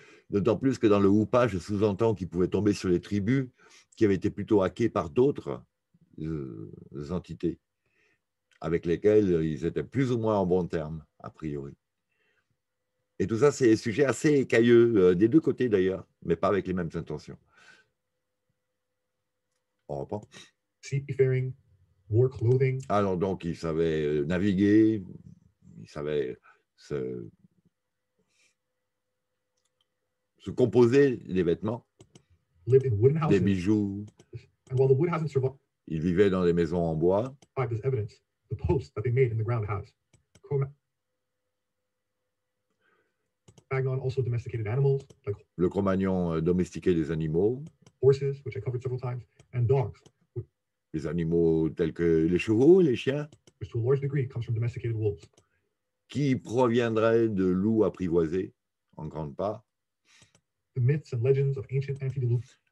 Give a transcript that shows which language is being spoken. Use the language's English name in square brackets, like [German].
[French] D'autant plus que dans le ou pas, je sous-entends qu'il pouvait tomber sur les tribus qui avaient été plutôt hackées par d'autres entités avec lesquelles ils étaient plus ou moins en bon terme, a priori. Et tout ça, c'est un sujet assez écailleux, des deux côtés d'ailleurs, mais pas avec les mêmes intentions. On reprend. [English] Seafaring, war clothing. [French] Alors donc, ils savaient naviguer, ils savaient se composer des vêtements, [English] lived in wooden houses, [French] des bijoux. [English] And while the wood hasn't survived, [French] ils vivaient dans des maisons en bois. [English] There's evidence, the posts that they made in the ground house. Cro-Magnon also domesticated animals, like [French] le Cro-Magnon domestiquait des animaux. [English] Horses, which I covered several times, and dogs. [French] Les animaux tels que les chevaux, les chiens. [English] Which to a large degree comes from domesticated wolves. [French] Qui proviendrait de loups apprivoisés, en grande part. [English] The myths and legends of ancient antediluvians.